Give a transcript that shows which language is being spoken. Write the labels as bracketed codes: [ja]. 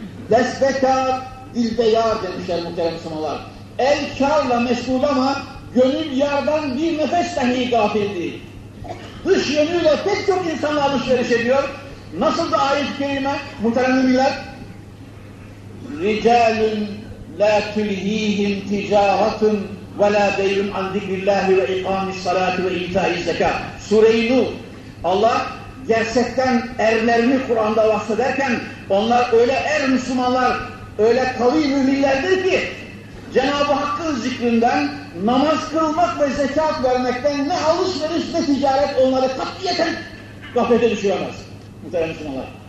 [tr] Desbekar, dilde yar demişler muhterem Müslümanlar. El karla meşgul ama gönül yardan bir nefes dahi gafil değil. Dış yönüyle pek çok insanla alışveriş ediyor. Nasıl da ayet-i kerime muhterem müminler? [ar] رِجَالٌ لَا تُلْه۪يهِمْ تِجَارَةٌ وَلَا بَيْرٌ عَنْ ذِكْرِ اللّٰهِ وَاِقَامِ الصَّلَاةِ وَاِيْتَاءِ الزَّكَاةِ [tr] Sure-i Nur. Allah gerçekten erlerini Kur'an'da bahsederken onlar öyle er Müslümanlar, öyle kavî müminlerdir ki Cenab-ı Hakk'ın zikrinden, namaz kılmak ve zekat vermekten ne alışveriş ne ticaret onları katliyeten gaflete düşüremez. Muhterem Müslümanlar.